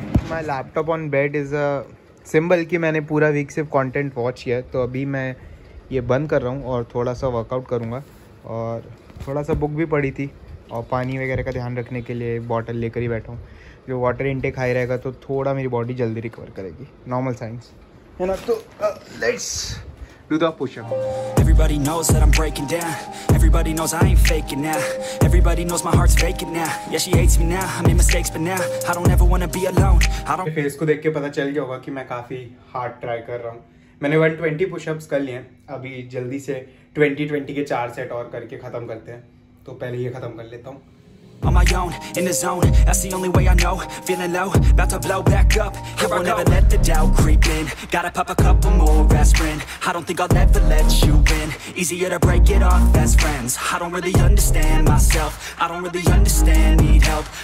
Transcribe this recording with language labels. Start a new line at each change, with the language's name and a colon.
English: my laptop on bed is a symbol
Hindi: कि मैंने पूरा वीक सिर्फ कंटेंट वॉच किया है, तो अभी मैं ये बंद कर रहा हूँ और थोड़ा सा वर्कआउट करूँगा, और थोड़ा सा बुक भी पढ़ी थी, और पानी वगैरह का ध्यान रखने के लिए बॉटल लेकर ही बैठा हूँ। जो वाटर इनटेक हाई रहेगा तो थोड़ा मेरी बॉडी जल्दी रिकवर करेगी, नॉर्मल साइंस है ना।
English: तो let's do the pushup. Everybody knows that I'm breaking down. Everybody knows I ain't faking now. Everybody knows my heart's faking now. Yeah, she hates me now. I made mistakes, but now I don't ever wanna be alone. I don't.
Hindi: Face को देख के पता चल गया होगा कि मैं काफी हार्ड ट्राई कर रहा हूँ। मैंने 120 पुशअप्स कर लिए हैं, अभी जल्दी से 20-20 के चार सेट और करके खत्म करते हैं। तो पहले ये खत्म कर लेता हूँ।
English: On my own, in the zone, that's the only way I know. Feeling low, about to blow back up. Here I won't ever let the doubt creep in. Gotta pop a couple more aspirin. I don't think I'll ever let you in. Easier to break it off best friends. I don't really understand myself. I don't really understand, need help.